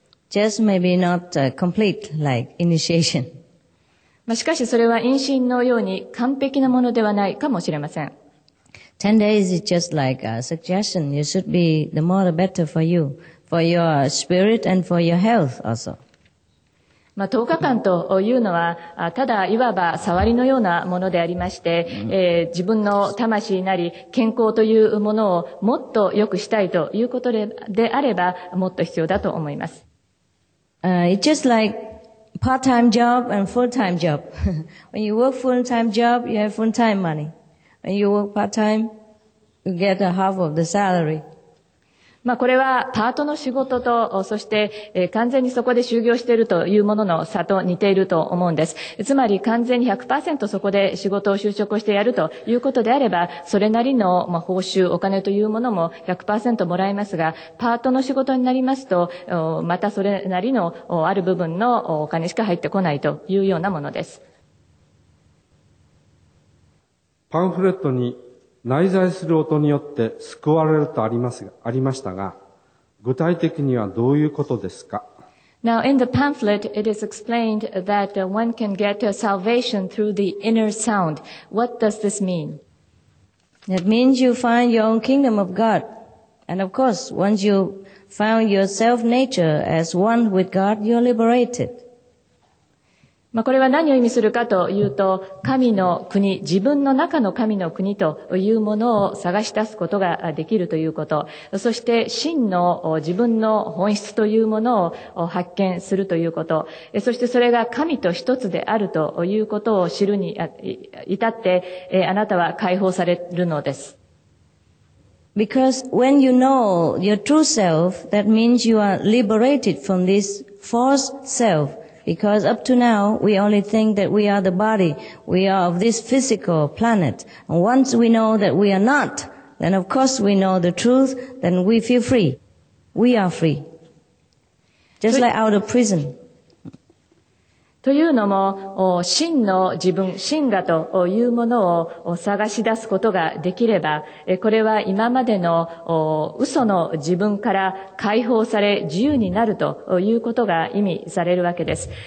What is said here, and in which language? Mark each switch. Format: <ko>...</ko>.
<en>Just maybe not complete like initiation.</en> <ja>しかしそれは陰身のように完璧なものではないかもしれません。</ja> <en>10 days is just like a suggestion. You should be the more the better for you, for your spirit and for your health also.</en> <ja>10日間というのは、ただいわば触りのようなものでありまして、自分の魂なり健康というものをもっと良くしたいということであれば、もっと必要だと思います。</ja> <en>It's just like part-time job and full-time job. When you work full-time job, you have full-time money. When you work part-time, you get a half of the salary.</en> <ja>まあ、これはパートの仕事と、そして完全にそこで就業しているというものの差と似ていると思うんです。つまり完全に 100% そこで仕事を就職してやるということであれば、それなりの報酬、お金というものも 100% もらえますが、パートの仕事になりますと、またそれなりのある部分のお金しか入ってこないというようなものです。パンフレットに内在する音によって救われるとありましたが、具体的にはどういうことですか？</ja> <en>Now, in the pamphlet, it is explained that one can get a salvation through the inner sound. What does this mean? That means you find your own kingdom of God. And of course, once you found your self nature as one with God, you're liberated.</en> <ja>まあ、これは何を意味するかというと、神の国、自分の中の神の国というものを探し出すことができるということ、そして真の自分の本質というものを発見するということ、そしてそれが神と一つであるということを知るに至って、あなたは解放されるのです。</ja> <en>Because when you know your true self, that means you are liberated from this false self. Because up to now, we only think that we are the body. We are of this physical planet. And once we know that we are not, then of course we know the truth, then we feel free. We are free. Just like out of prison.</en> <ja>というのも、真の自分、真我というものを探し出すことができれば、これは今までの嘘の自分から解放され自由になるということが意味されるわけです。</ja>